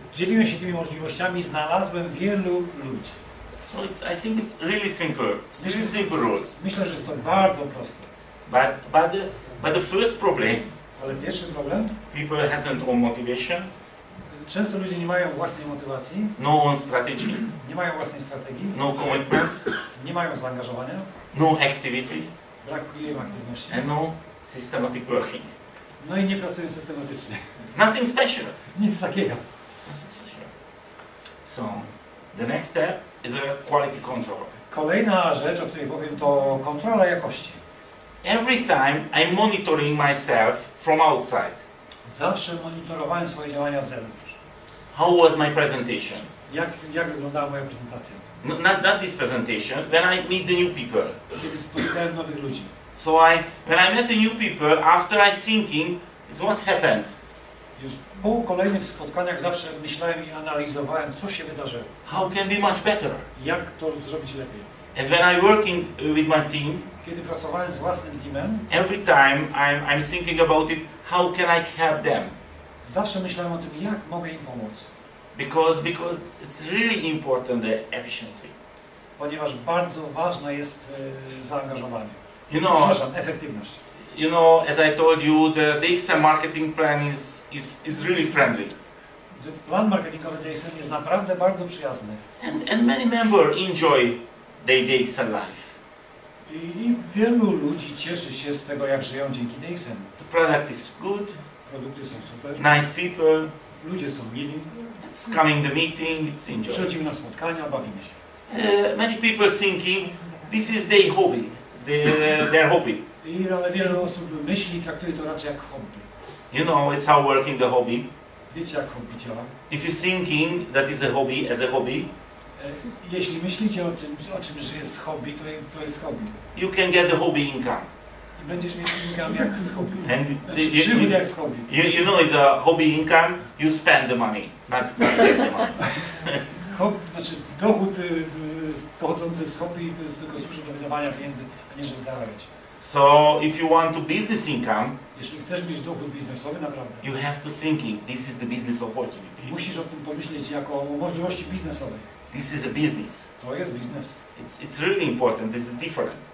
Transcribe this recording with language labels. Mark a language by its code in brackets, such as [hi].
[pl] Dzieliłem się tymi możliwościami, znalazłem wielu ludzi. [en] So I think it's really simple. Simple rules. [pl] Myślę, że jest to bardzo proste. [en] But the first problem. [pl] Ale pierwszy problem. [en] People hasn't own motivation. [pl] Często ludzie nie mają własnej motywacji. [en] No own strategy. [pl] Nie mają własnej strategii. [en] No commitment. [pl] Nie mają zaangażowania. [en] No activity. [pl] Brakuje im aktywności. [en] And no systematic working. [pl] No i nie pracują systematycznie. [en] It's nothing special. [pl] Nic takiego. [en] So the next step is a quality control. [pl] Kolejna rzecz, o której powiem, to kontrola jakości. [en] Every time I'm monitoring myself from outside. [pl] Zawsze monitorowałem swoje działania z zewnątrz. [en] How was my presentation? [pl] Jak wyglądała moja prezentacja? [en] Not this presentation. When I meet the new people. [pl] Kiedy spotkałem nowych ludzi. [en] So when I met the new people, after I thinking, is what happened? [pl] Już po kolejnych spotkaniach zawsze myślałem i analizowałem, co się wydarzyło. [en] How can be much better? [pl] Jak to zrobić lepiej? [en] And when I working with my team. [pl] Kiedy pracowałem z własnym teamem. [en] Every time I'm thinking about it. How can I help them? [pl] Zawsze myślałem o tym, jak mogę im pomóc. [en] Because it's really important the efficiency. [pl] Ponieważ bardzo ważne jest zaangażowanie. [en] You know, [pl] efektywność. [en] You know, as I told you, the DXM marketing plan is really friendly. [pl] Plan marketingowy DXM jest naprawdę bardzo przyjazny. [en] And many members enjoy their DXM life. [pl] I wielu ludzi cieszy się z tego, jak żyją dzięki DXM. [en] Product is good. [pl] Produkty są super. [en] Nice people. [pl] Ludzie są mili. [en] It's coming the meeting. It's enjoy. [pl] Przychodzimy na spotkania, bawimy się. [en] Many people thinking this is their hobby. Their hobby. [pl] I ale wiele osób myśli i traktuje to raczej jak hobby. [en] You know, it's how working the hobby. [pl] Wiecie, jak hobby działa. [en] If you thinking that is a hobby as a hobby. [pl] Jeśli myślicie o czym, że jest hobby, to jest hobby. [en] You can get the hobby income. [pl] I będziesz mieć income jak z hobby. Przybyt jak z hobby. [en] You know, it's a hobby income, you spend the money, not get the money. [pl] Znaczy, dochód pochodzący z hobby to jest tylko służy do wydawania pieniędzy, a nie żeby zarabiać. [en] So, if you want to business income, [pl] jeśli chcesz mieć dochód biznesowy, naprawdę, [en] you have to thinking, this is the business opportunity. [pl] Musisz o tym pomyśleć jako o możliwości biznesowej. [en] This is a business. [pl] To jest biznes. [en] It's really important, this is different.